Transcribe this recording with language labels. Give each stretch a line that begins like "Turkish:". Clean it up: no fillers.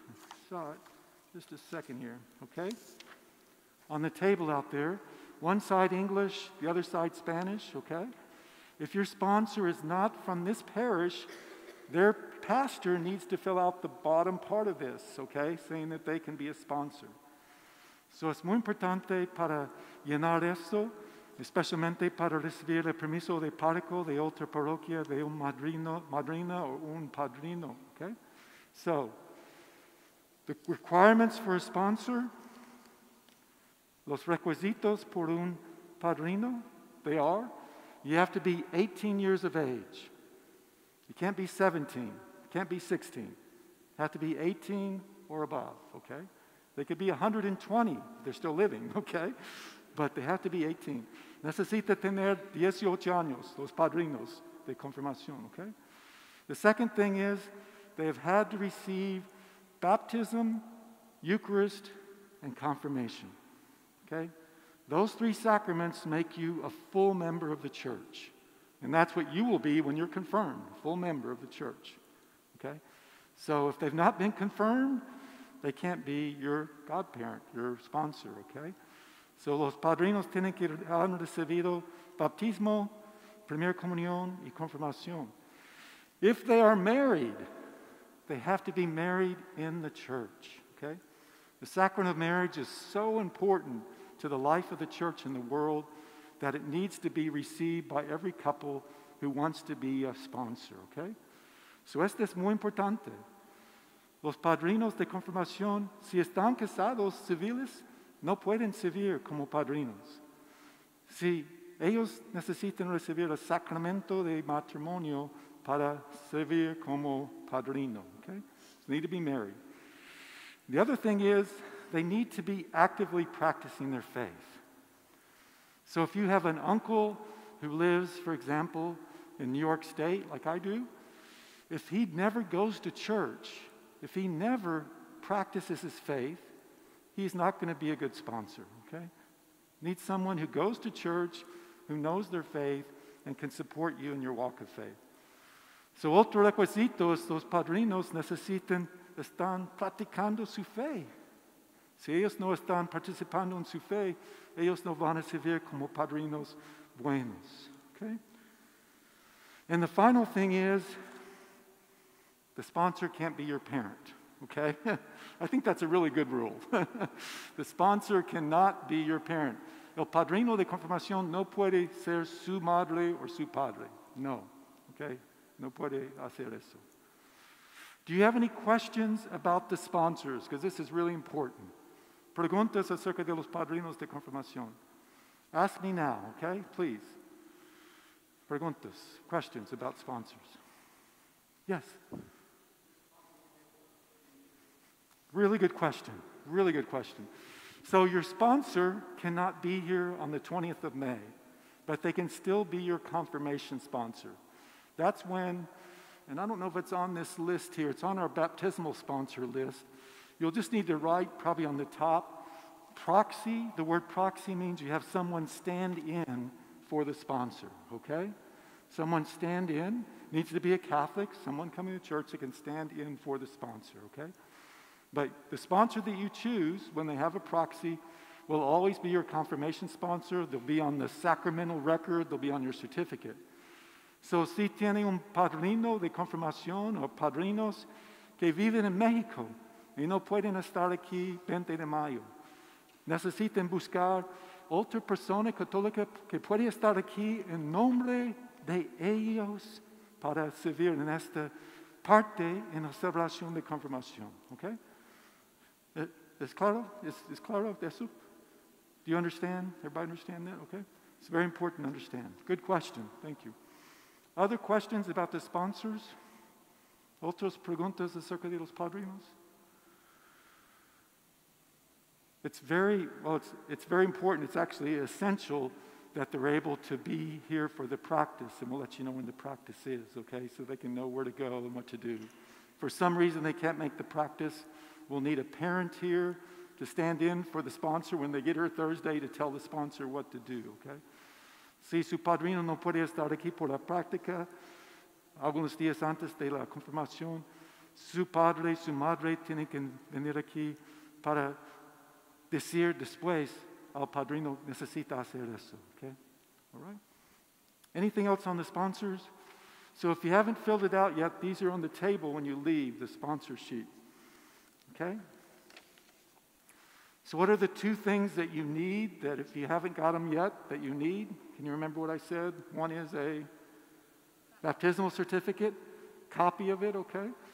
English: I saw it just a second here, okay? On the table out there. One side English, the other side Spanish, okay? If your sponsor is not from this parish, their pastor needs to fill out the bottom part of this, okay? Saying that they can be a sponsor.
Spanish: So es muy importante para llenar esto, especialmente para recibir el permiso de párroco de otra parroquia de un madrino, madrina o un padrino, okay?
English: So, the requirements for a sponsor,
Spanish: los requisitos por un padrino,
English: they are, you have to be 18 years of age. You can't be 17, you can't be 16. You have to be 18 or above, okay? They could be 120, they're still living, okay? But they have to be 18.
Spanish: Necesita tener 18 años, los padrinos de confirmación, okay?
English: The second thing is, they have had to receive baptism, Eucharist, and confirmation, okay? Those three sacraments make you a full member of the church. And that's what you will be when you're confirmed, a full member of the church, okay? So if they've not been confirmed, they can't be your godparent, your sponsor, okay?
Spanish: So los padrinos tienen que haber recibido bautismo, primera comunión y confirmación.
English: If they are married, they have to be married in the church, okay? The sacrament of marriage is so important to the life of the church and the world that it needs to be received by every couple who wants to be a sponsor, okay?
Spanish: So esto es muy importante. Los padrinos de confirmación, si están casados civiles, no pueden servir como padrinos. Si ellos necesitan recibir el sacramento de matrimonio para servir como padrino, okay?
English: They need to be married. The other thing is, they need to be actively practicing their faith. So if you have an uncle who lives, for example, in New York State, like I do, if he never goes to church, if he never practices his faith, he's not going to be a good sponsor, okay? Need someone who goes to church, who knows their faith, and can support you in your walk of faith.
Spanish: So otro requisito es los padrinos necesitan estar practicando su fe. Si ellos no están participando en su fe, ellos no van a servir como padrinos buenos, okay?
English: And the final thing is, the sponsor can't be your parent. Okay? I think that's a really good rule. The sponsor cannot be your parent.
Spanish: El padrino de confirmación no puede ser su madre o su padre. No. Okay? No puede hacer eso.
English: Do you have any questions about the sponsors? Because this is really important.
Spanish: Preguntas acerca de los padrinos de confirmación.
English: Ask me now, okay? Please.
Spanish: Preguntas.
English: Questions about sponsors. Yes. Really good question, really good question. So your sponsor cannot be here on the 20th of May, but they can still be your confirmation sponsor. That's when, and I don't know if it's on this list here, it's on our baptismal sponsor list. You'll just need to write probably on the top, proxy. The word proxy means you have someone stand in for the sponsor, okay? Someone stand in, needs to be a Catholic, someone coming to church that can stand in for the sponsor, okay? But the sponsor that you choose, when they have a proxy, will always be your confirmation sponsor. They'll be on the sacramental record, they'll be on your certificate.
Spanish: So si tiene un padrino de confirmación o padrinos que viven en México y no pueden estar aquí 20 de mayo, necesiten buscar otra persona católica que puede estar aquí en nombre de ellos para servir en esta parte en la celebración de confirmación. Okay? ¿Es claro? ¿Es claro de eso?
English: Do you understand? Everybody understand that? Okay? It's very important to understand. Good question. Thank you. Other questions about the sponsors?
Spanish: ¿Otras preguntas acerca de los padrinos?
English: It's very important. It's actually essential that they're able to be here for the practice, and we'll let you know when the practice is, okay? So they can know where to go and what to do. For some reason they can't make the practice, we'll need a parent here to stand in for the sponsor when they get here Thursday to tell the sponsor what to do, okay?
Spanish: Si su padrino no puede estar aquí por la práctica algunos días antes de la confirmación, su padre, su madre tienen que venir aquí para decir después al padrino necesita hacer eso, okay?
English: All right? Anything else on the sponsors? So if you haven't filled it out yet, these are on the table when you leave, the sponsor sheet, okay? So what are the two things that you need that if you haven't got them yet that you need? Can you remember what I said? One is a baptismal certificate, copy of it, okay?